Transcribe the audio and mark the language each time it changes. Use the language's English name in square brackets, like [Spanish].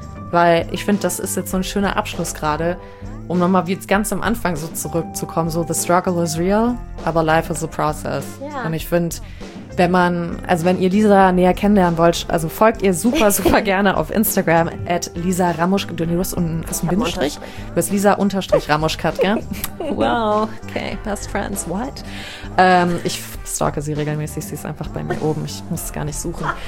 [German] Weil ich finde, das ist jetzt so ein schöner Abschluss gerade, um nochmal wie jetzt ganz am Anfang so zurückzukommen, so [English] the struggle is real, [German] aber [English] life is a process. [German] Ja. Und ich finde, wenn ihr Lisa näher kennenlernen wollt, also folgt ihr super, super gerne auf Instagram @LisaRamoschka. Du hast unten einen Bindestrich. Du hast Lisa_Ramoschka, gell? [English] Wow, okay, best friends, what? [German] Ich stalke sie regelmäßig, sie ist einfach bei mir oben, ich muss es gar nicht suchen.